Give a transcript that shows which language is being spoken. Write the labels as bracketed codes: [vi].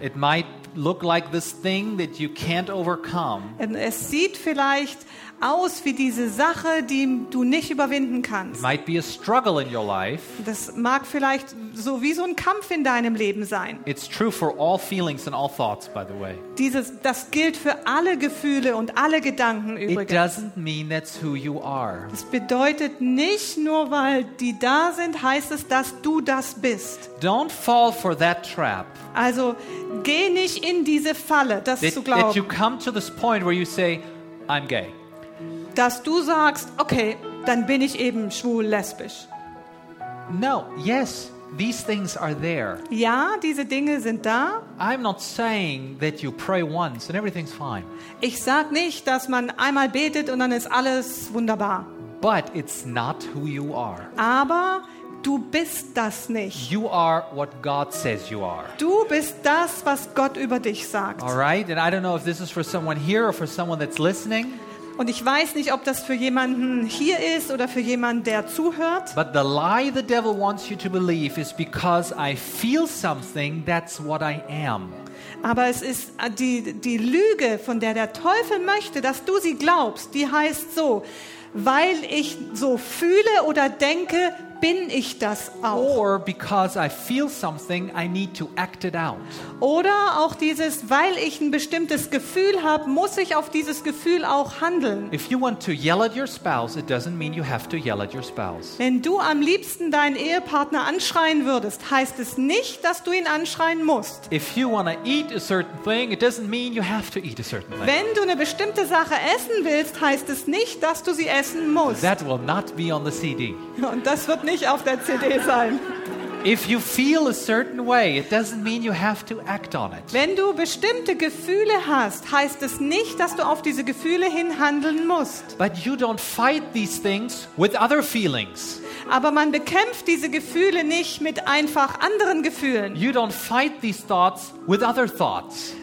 [en] It might look like this thing that you can't overcome. [de] Und es sieht vielleicht aus wie diese Sache, die du nicht überwinden kannst. [en] It might be a struggle in your life. [de] Das mag vielleicht so wie so ein Kampf in deinem Leben sein. [en] It's true for all feelings and all thoughts, by the way. [de] Das gilt für alle Gefühle und alle Gedanken übrigens. [en] It doesn't mean that's who you are. [de] Das bedeutet nicht nur, weil die da sind, heißt es, dass du das bist. [en] Don't fall for that trap. [de] Also geh nicht in diese Falle, das zu glauben. [en] That you come to this point where you say, I'm gay. [de] Dass du sagst, okay, dann bin ich eben schwul, lesbisch. [en] No, yes, these things are there. [de] Ja, diese Dinge sind da. [en] I'm not saying that you pray once and everything's fine. [de] Ich sag nicht, dass man einmal betet und dann ist alles wunderbar. [en] But it's not who you are. [de] Aber du bist das nicht. [en] You are what God says you are. [de] Du bist das, was Gott über dich sagt. [en] All right, and I don't know if this is for someone here or for someone that's listening. [de] Und ich weiß nicht, ob das für jemanden hier ist oder für jemanden, der zuhört. [en] But the lie the devil wants you to believe is because I feel something, that's what I am. [de] Aber es ist die Lüge, von der Teufel möchte, dass du sie glaubst, die heißt so, weil ich so fühle oder denke, bin ich das auch? [en] Or because I feel something, I need to act it out. [de] Oder auch dieses, weil ich ein bestimmtes Gefühl habe, muss ich auf dieses Gefühl auch handeln. [en] If you want to yell at your spouse, it doesn't mean you have to yell at your spouse. [de] Wenn du am liebsten deinen Ehepartner anschreien würdest, heißt es nicht, dass du ihn anschreien musst. [en] If you want to eat a certain thing, it doesn't mean you have to eat a certain thing. [de] Wenn du eine bestimmte Sache essen willst, heißt es nicht, dass du sie essen musst. [en] That will not be on the CD. [de] Und das wird nicht auf der CD sein. [en] If you feel a certain way, it doesn't mean you have to act on it. [de] Wenn du bestimmte Gefühle hast, heißt es nicht, dass du auf diese Gefühle hin handeln musst. [en] But you don't fight these things with other feelings. [de] Aber man bekämpft diese Gefühle nicht mit einfach anderen Gefühlen. [en] You don't fight these thoughts with other thoughts.